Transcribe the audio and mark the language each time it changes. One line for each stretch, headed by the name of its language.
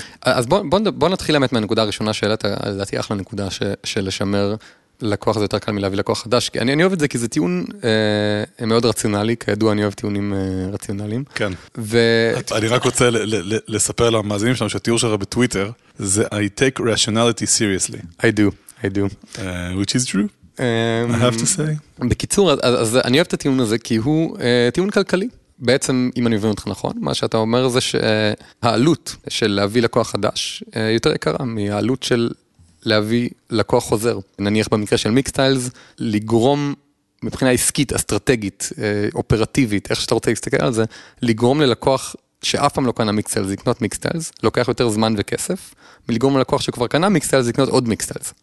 Hebrew: אז בוא נתחיל באמת מהנקודה הראשונה שאלת, לדעתי אחלה נקודה שלשמר לקוח זה יותר קל מלהביא לקוח חדש. אני אוהב את זה כי זה טיעון מאוד רציונלי, כידוע אני אוהב טיעונים רציונליים. כן. אני רק רוצה לספר למאזינים שלנו שהתיאור שלך בטוויטר, זה
English: I take rationality seriously. I do. Which is true, I have to say.
Hebrew: בקיצור, אז אני אוהב את הטיעון הזה כי הוא טיעון כלכלי. בעצם, אם אני מבין אותך נכון, מה שאתה אומר זה שהעלות של להביא לקוח חדש יותר יקרה מהעלות של... להביא לקוח חוזר. נניח במקרה של מיקסטיילס, לגרום מבחינה עסקית, אסטרטגית, אופרטיבית, איך שאתה רוצה להסתכל על זה, לגרום ללקוח שאף פעם לא קנה מיקסטיילס, לקנות מיקסטיילס, לוקח יותר זמן וכסף, מלגרום ללקוח שכבר קנה מיקסטיילס, לקנות עוד מיקסטיילס.